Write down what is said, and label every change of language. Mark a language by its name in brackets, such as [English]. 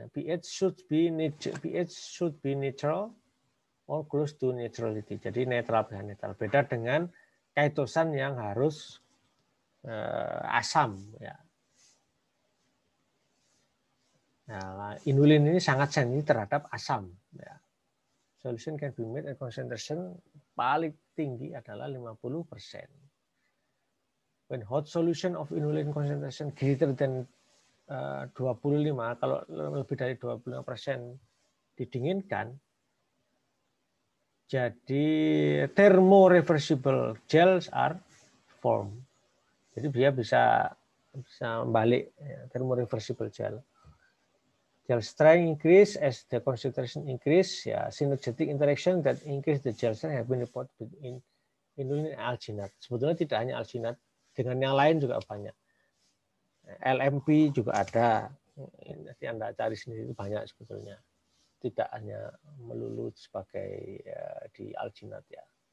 [English] pH should be neutral or close to neutrality. [Indonesian] Jadi netral pH netral, beda dengan kaitosan yang harus asam ya. Nah, inulin ini sangat sensitif terhadap asam. Ya. [English] Solution can be made at concentration [Indonesian] paling tinggi adalah 50%. [English] When hot solution of inulin concentration greater than 25, [Indonesian] kalau lebih dari 25% didinginkan, jadi [English] thermoreversible gels are formed. [Indonesian] Jadi dia bisa balik ya, thermoreversible gel. [English] Gel strength increase as the concentration increase. Ya, synergetic interaction that increase the gel strength have been reported between inulin and alginate. [Indonesian] Sebetulnya tidak hanya alginate, dengan yang lain juga banyak. LMP juga ada. Nanti Anda cari sendiri itu banyak sebetulnya. Tidak hanya melulu sebagai ya, di alginate ya.